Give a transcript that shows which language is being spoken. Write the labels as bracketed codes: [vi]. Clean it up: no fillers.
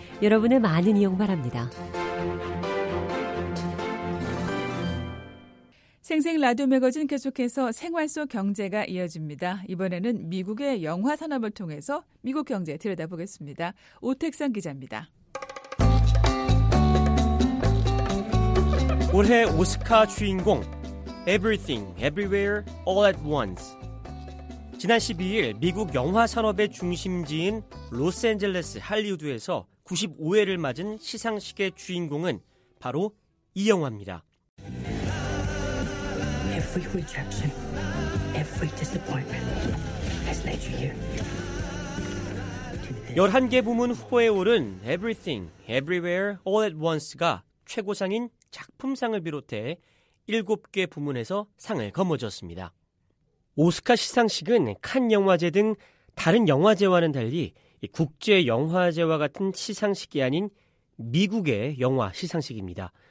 [ko] 여러분의 많은 이용 바랍니다. 생생 라디오 매거진 계속해서 생활 속 경제가 이어집니다. 이번에는 미국의 영화 산업을 통해서 미국 경제 들여다보겠습니다. 오택상 기자입니다. 올해 오스카 주인공 Everything, Everywhere, All at Once. 지난 12일 미국 영화 산업의 중심지인 로스앤젤레스 할리우드에서 95회를 맞은 시상식의 주인공은 바로 이 영화입니다. [en] Every rejection, every disappointment has led you here. [ko] 11개 부문 후보에 오른 Everything, Everywhere, All at Once가 최고상인 작품상을 비롯해 7개 부문에서 상을 거머쥐었습니다. 오스카 시상식은 칸 영화제 등 다른 영화제와는 달리 국제 영화제와 같은 시상식이 아닌 미국의 영화 시상식입니다.